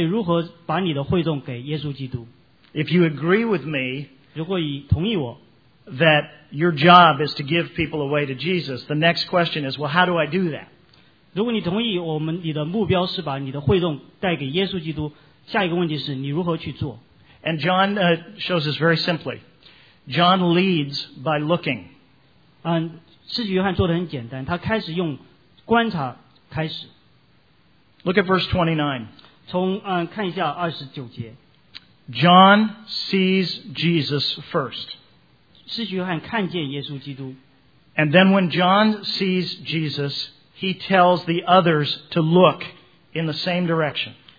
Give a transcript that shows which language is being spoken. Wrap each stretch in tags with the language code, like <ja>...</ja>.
<zh>陈彪牧师，你准备如何把你的会众给耶稣基督？</zh> <en>If you agree with me,</en> <zh>如果你同意我,</zh> <en>that your job is to give people away to Jesus, the next question is, well, how do I do that?</en> <zh>如果你同意我们，你的目标是把你的会众带给耶稣基督, 下一个问题是你如何去做？</zh> <en>And John shows us very simply. John leads by looking.</en> <zh>使徒约翰做得很简单，他开始用观察开始。</zh> <en>Look at verse 29.</en> <zh>从看一下29节。</zh> <en>John sees Jesus first.</en> <zh>使徒约翰看见耶稣基督。</zh> <en>And then when John sees Jesus, he tells the others to look in the same direction.</en>